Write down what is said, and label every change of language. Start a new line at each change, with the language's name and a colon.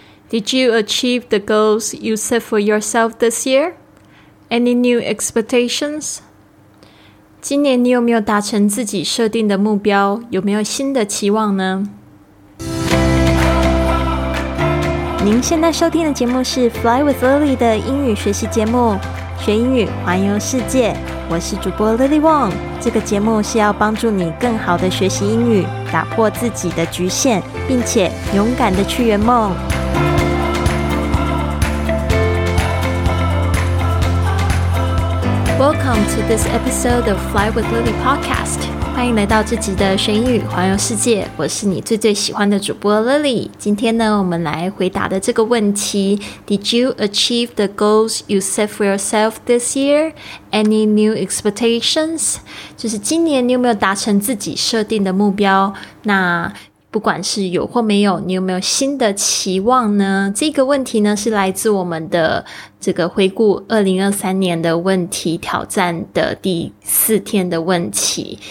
English: Did you achieve the goals you set for yourself this year? Any new expectations?
Chinese: 今年你有没有达成自己设定的目标？有没有新的期望呢？您现在收听的节目是 Fly with Lily 的英语学习节目，学英语，环游世界。我是主播 Lily Wong。这个节目是要帮助你更好的学习英语，打破自己的局限，并且勇敢的去圆梦。
English: Welcome to this episode of Fly with Lily podcast.
Chinese: 欢迎来到这集的学英语环游世界，我是你最最喜欢的主播 Lily。今天呢，我们来回答的这个问题，
English: Did you achieve the goals you set for yourself this year? Any new expectations?
Chinese: 就是今年你有没有达成自己设定的目标？那不管是有或没有，你有没有新的期望呢？这个问题呢，是来自我们的这个回顾2023年的问题挑战的第四天的问题。